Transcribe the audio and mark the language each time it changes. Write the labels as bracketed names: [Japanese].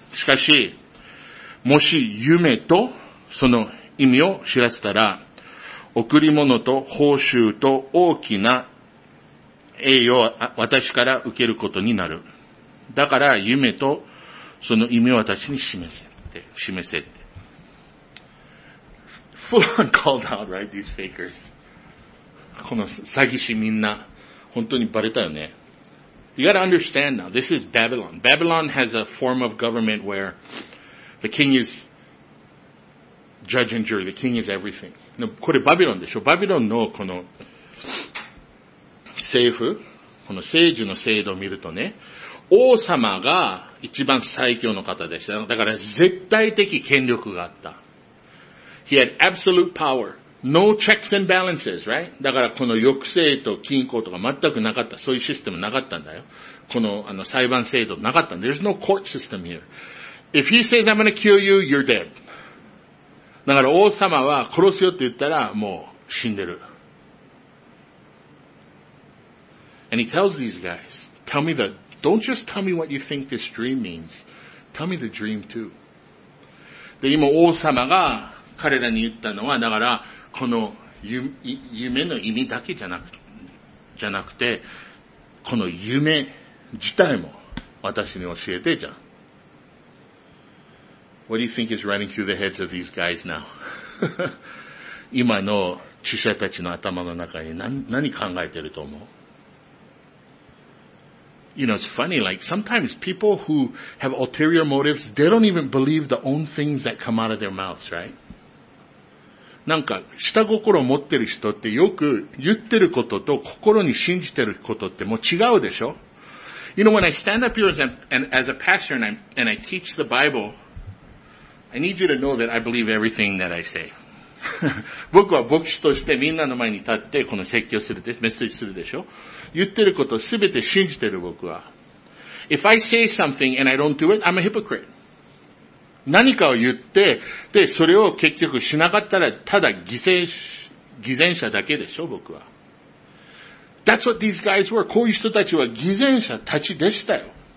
[Japanese] しかし、もし夢とその意味を知らせたら、贈り物と報酬と大きな栄誉を私から受けることになる。だから夢とその意味を私に示せって、示せって。 [English] Full on called out, right, these fakers. [Japanese] この詐欺師みんな、本当にバレたよね。 [English] You gotta understand now, this is Babylon. Babylon has a form of government where the king is judge and jury, the king is everything. [Japanese] これバビロンでしょ。バビロンのこの政府、この政治の制度を見るとね、王様が一番最強の方でした。だから絶対的権力があった。 [English] He had absolute power. No checks and balances, right? [Japanese] だからこの抑制と均衡とか全くなかった。そういうシステムなかったんだよ。この、あの裁判制度なかったんだ。 [English] There's no court system here. If he says I'm gonna kill you, you're dead. [Japanese] だから王様は殺すよって言ったらもう死んでる。 [English] And he tells these guys, tell me the, don't just tell me what you think this dream means. Tell me the dream too. [Japanese] で、今王様が彼らに言ったのは、だから、この夢の意味だけじゃなくて、この夢自体も私に教えてじゃん。 [English] What do you think is running through the heads of these guys now? [Japanese] 今の知者たちの頭の中に 何考えてると思う？ [English] You know, it's funny, like, sometimes people who have ulterior motives, they don't even believe the own things that come out of their mouths, right? [Japanese] なんか、下心を持ってる人ってよく言ってることと心に信じてることってもう違うでしょ？ [English] You know, when I stand up here as a pastor and I teach the Bible, I need you to know that I believe everything that I say. [Japanese] 僕は牧師としてみんなの前に立ってこの説教するで、メッセージするでしょ。言ってることすべて信じてる僕は。 [English] If I say something and I don't do it, I'm a hypocrite. [Japanese] 何かを言って、で、それを結局しなかったらただ偽善者だけでしょ、僕は。 [English] That's what these guys were. [Japanese] こういう人たちは偽善者たちでしたよ。